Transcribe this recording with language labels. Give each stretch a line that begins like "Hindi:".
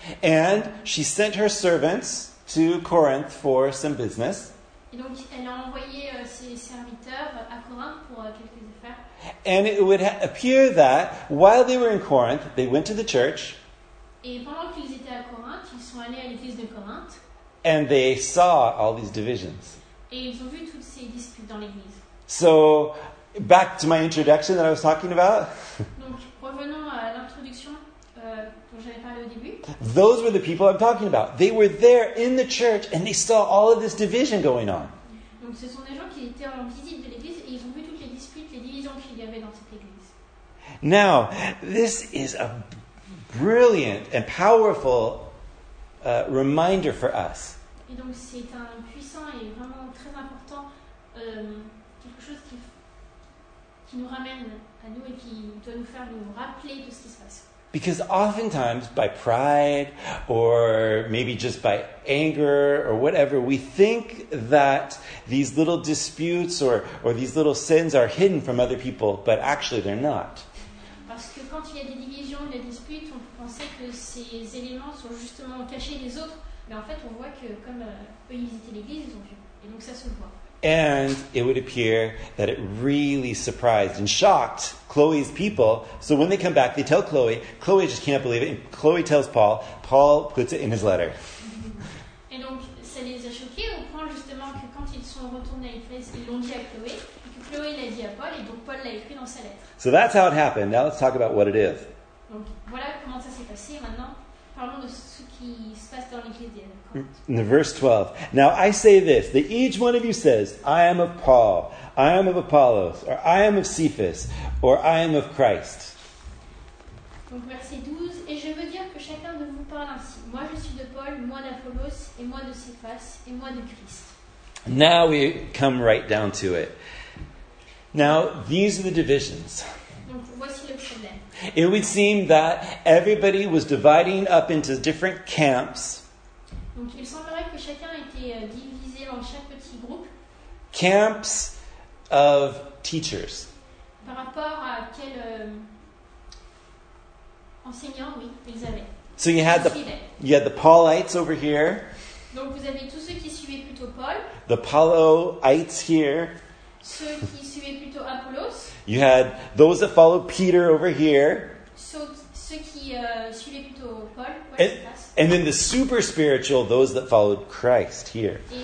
English: And she sent her servants to Corinth for some business.
French: Et donc elle a envoyé ses serviteurs à Corinthe pour quelques affaires.
English: And it would appear that while they were in Corinth, they went to the church.
French: Et pendant qu'ils étaient à Corinthe, ils sont allés à l'église de Corinthe.
English: And they saw all these divisions.
French: Et ils ont vu toutes ces disputes dans l'église.
English: So back to my introduction that I was talking about.
French: Donc revenons à l'introduction dont j'avais parlé au début.
English: Those were the people I'm talking about. They were there in the church and they saw all of this division going on.
French: Donc ce sont des gens qui étaient en visite de l'église et ils ont vu toutes les disputes, les divisions qu'il y avait dans cette église.
English: Now, this is a brilliant and powerful reminder for us.
French: Et donc c'est un puissant et vraiment très important quelque chose qui nous ramène à nous et qui doit nous faire nous rappeler de ce qui se passe.
English: Because oftentimes by pride or maybe just by anger or whatever, we think that these little disputes or these little sins are hidden from other people, but actually they're not.
French: Parce que quand il y a des divisions, des disputes, on peut penser que ces éléments sont justement cachés des autres, mais en fait on voit que comme eux ils visitaient l'église, ils ont vu. Et donc ça se voit.
English: And it would appear that it really surprised and shocked Chloe's people. So when they come back, they tell Chloe. Chloe just can't believe it. And Chloe tells Paul. Paul puts it in his letter.
French: Et donc, ça les a choqués au point justement que quand ils sont retournés à Éphèse, ils l'ont dit à Chloé. Et que Chloé l'a dit à Paul. Et donc, Paul l'a écrit dans sa lettre.
English: So that's how it happened. Now let's talk about what it is.
French: Donc, voilà comment ça s'est passé maintenant. Parlons de ce qui se passe dans l'église des Corinthiens.
English: In the verse 12. Now I say this, that each one of you says, I am of Paul, I am of Apollos, or I am of Cephas, or I am of Christ.
French: Donc verset 12. Et je veux dire que chacun de vous parle ainsi. Moi je suis de Paul, moi d'Apollos, et moi de Cephas, et moi de Christ.
English: Now we come right down to it. Now these are the divisions.
French: Donc voici le problème.
English: It would seem that everybody was dividing up into different camps.
French: Donc il semblerait que chacun était divisé en chaque petit groupe.
English: Camps of teachers.
French: Par rapport à quel enseignant, oui, ils avaient.
English: So you had the Paulites over here.
French: Donc vous avez tous ceux qui suivaient plutôt Paul.
English: The Apolloites here.
French: Ceux qui suivaient plutôt Apollos.
English: You had those that followed Peter over here. So,
French: ceux qui suivaient plutôt Paul, Paul
English: and then the super spiritual, those that followed Christ here.